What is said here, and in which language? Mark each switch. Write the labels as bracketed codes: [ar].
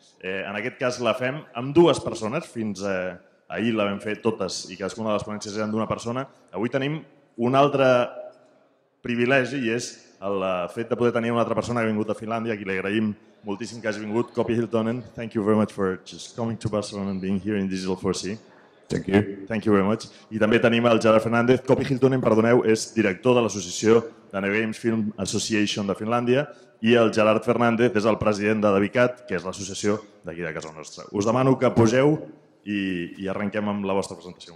[ca] En aquest cas la fem amb dues persones, fins a ahir la vam fer totes I cadascuna de les ponències eren d'una persona. Avui tenim un altre privilegi I és el fet de poder tenir una altra persona que ha vingut de Finlàndia, que li agraïm moltíssim que hagi vingut, KooPee Hiltunen. [en] Thank you very much for just coming to Barcelona and being here in Digital 4C. Thank you very much. [ca] I també tenim el Gerard Fernández. KooPee Hiltunen, perdoneu, és director de l'associació de Neogames Film Association de Finlàndia I el Gerard Fernández és el president de Devicat, que és l'associació d'aquí de casa nostra. Us demano que pugeu I arrenquem amb la vostra presentació.